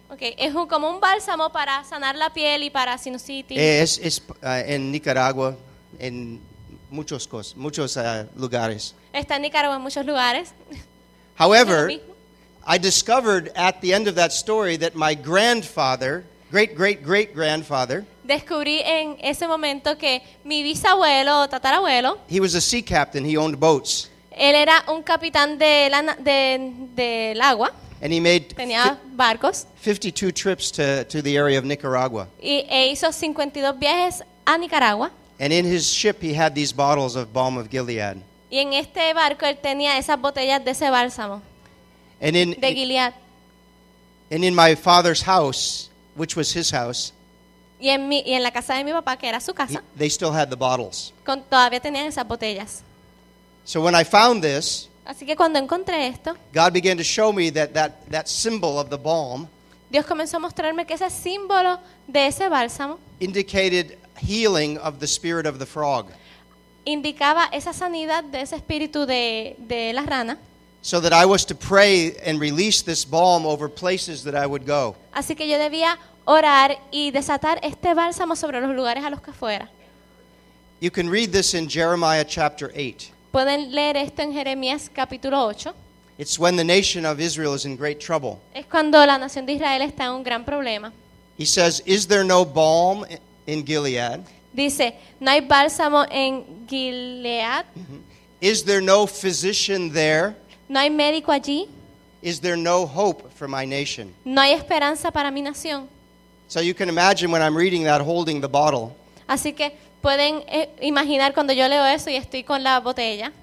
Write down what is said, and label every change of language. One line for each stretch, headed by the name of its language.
Spanish: Okay, es un, como un bálsamo para sanar la piel y para sinusitis. Es en Nicaragua, en muchos cosas, muchos lugares. Está en Nicaragua en muchos lugares.
English: However, I discovered at the end of that story that my grandfather, great great great grandfather,
Spanish: descubrí en ese momento que mi bisabuelo o tatarabuelo,
English: he was a sea captain, he owned boats.
Spanish: Él era un capitán del agua.
English: And he made
Spanish: tenía barcos.
English: 52 trips to the area of Nicaragua.
Spanish: E hizo 52 viajes a Nicaragua.
English: And in his ship he had these bottles of balm of Gilead.
Spanish: Y en este barco él tenía esas botellas de ese bálsamo.
English: And in
Spanish: de Gilead.
English: And in my father's house, which was his house,
Spanish: y en la casa de mi papá, que era su casa,
English: they still had the bottles.
Spanish: Todavía tenían esas botellas.
English: So when I found this,
Spanish: así que cuando encontré esto,
English: God began to show me that symbol of the balm,
Spanish: Dios comenzó a mostrarme que ese símbolo de ese bálsamo,
English: indicated healing of the spirit of the frog.
Spanish: Indicaba esa sanidad de ese espíritu de la rana.
English: So that I was to pray and release this balm over places that I would go.
Spanish: Así que yo debía orar y desatar este bálsamo sobre los lugares a los que fuera.
English: You can read this in Jeremiah chapter 8.
Spanish: Pueden leer esto en Jeremías capítulo 8.
English: It's when the nation of Israel is in great trouble.
Spanish: Es cuando la nación de Israel está en un gran problema.
English: He says, "Is there no balm in Gilead?"
Spanish: Dice, ¿no hay bálsamo en Gilead?
English: Is there no physician there?
Spanish: ¿No hay médico allí?
English: Is there no hope for my nation?
Spanish: ¿No hay esperanza para mi nación?
English: So you can imagine when I'm reading that, holding the bottle.
Spanish: Así que pueden imaginar cuando yo leo eso y estoy con la botella.